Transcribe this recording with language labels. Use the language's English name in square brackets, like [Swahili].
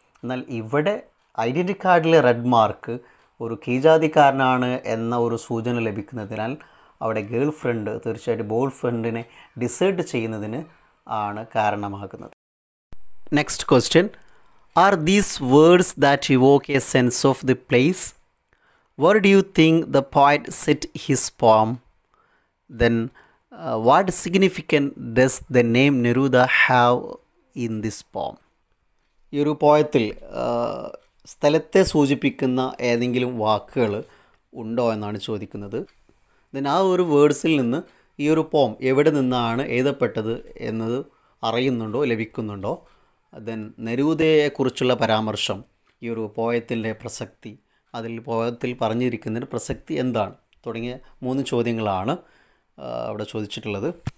[Malayalam] എന്നാൽ ഇവിടെ ഐഡൻറ്റിറ്റി കാർഡിലെ റെഡ് മാർക്ക് ഒരു കീഴ്ജാതിക്കാരനാണ് എന്ന ഒരു സൂചന ലഭിക്കുന്നതിനാൽ അവിടെ ഗേൾ ഫ്രണ്ട് തീർച്ചയായിട്ടും ബോയ് ഫ്രണ്ടിനെ ഡിസേർട്ട് ചെയ്യുന്നതിന് ആണ് കാരണമാകുന്നത്. [English] Next question, are these words that evoke a sense of the place? What do you think the poet set his poem? Then what significance does the name Neruda have in this poem? [Malayalam] ഈയൊരു പോയത്തിൽ സ്ഥലത്തെ സൂചിപ്പിക്കുന്ന ഏതെങ്കിലും വാക്കുകൾ ഉണ്ടോ എന്നാണ് ചോദിക്കുന്നത്. Then ആ ഒരു വേർഡ്സിൽ നിന്ന് ഈ ഒരു പോം എവിടെ നിന്നാണ് എഴുതപ്പെട്ടത് എന്നത് അറിയുന്നുണ്ടോ, ലഭിക്കുന്നുണ്ടോ? ദെൻ നെരൂദയെക്കുറിച്ചുള്ള പരാമർശം, ഈ ഒരു പോയത്തിൻ്റെ പ്രസക്തി, അതിൽ പോയത്തിൽ പറഞ്ഞിരിക്കുന്ന പ്രസക്തി എന്താണ് തുടങ്ങിയ മൂന്ന് ചോദ്യങ്ങളാണ് അവിടെ ചോദിച്ചിട്ടുള്ളത്.